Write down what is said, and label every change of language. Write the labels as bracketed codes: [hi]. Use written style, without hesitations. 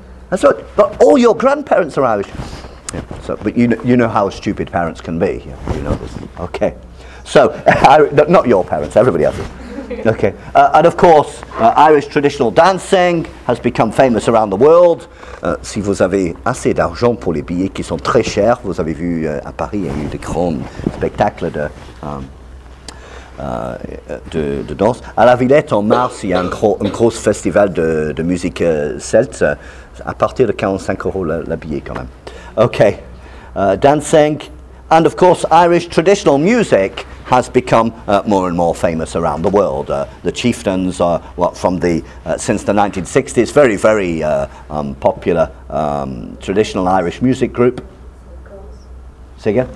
[en] And so, but all your grandparents are Irish. Yeah, so, but you know how stupid parents can be. Yeah, you know this. Okay. So, not your parents, everybody else's. Okay. And of course, Irish traditional dancing has become famous around the world. [fr] Si vous avez assez d'argent pour les billets qui sont très chers, vous avez vu à Paris, il y a eu des grands spectacles de danse. À la Villette, en mars, il y a un gros festival de musique celte. À partir de 45 euros la billet, quand même. [en] Okay. Dancing. And of course, Irish traditional music has become more and more famous around the world. The Chieftains are since the 1960s, very, very popular traditional Irish music group. Say again?